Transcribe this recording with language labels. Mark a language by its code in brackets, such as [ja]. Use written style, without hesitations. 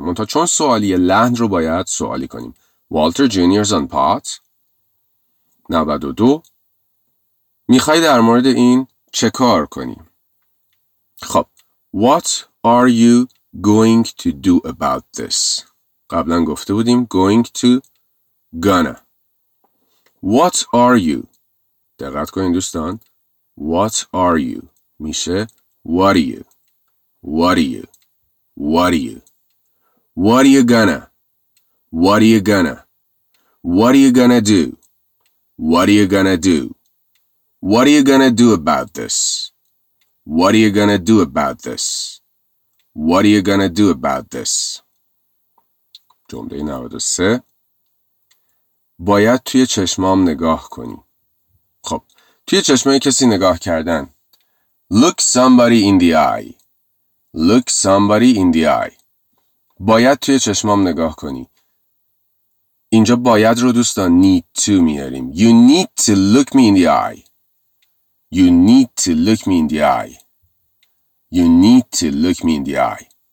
[fa] منتها چون سوالی لحن رو باید سوالی کنیم. [en] Walter Jr.'s on pot. [fa] 92. میخوای در مورد این چه کار کنی؟ خب [en] What are you going to do about this؟ [fa] قبلا گفته بودیم [en] Going to gonna. What are you؟ [fa] دقت کنین دوستان. [en] What are you؟ میشه What are you؟ What are you؟ What are you؟ What are you gonna؟ What are you gonna؟ What are you gonna do؟ What are you gonna do؟ What are you gonna do about this? What are you gonna do about this? What are you gonna do about this? [fa] جمله 93. باید توی چشمام نگاه کنی. خب توی چشمای کسی نگاه کردن. [en] Look somebody in the eye. Look somebody in the eye. [fa] باید توی چشمام نگاه کنی. اینجا باید رو دوستان [en] need to [fa] میاریم. [en] You need to look me in the eye. You need to look me in the eye. You need to look me in the eye.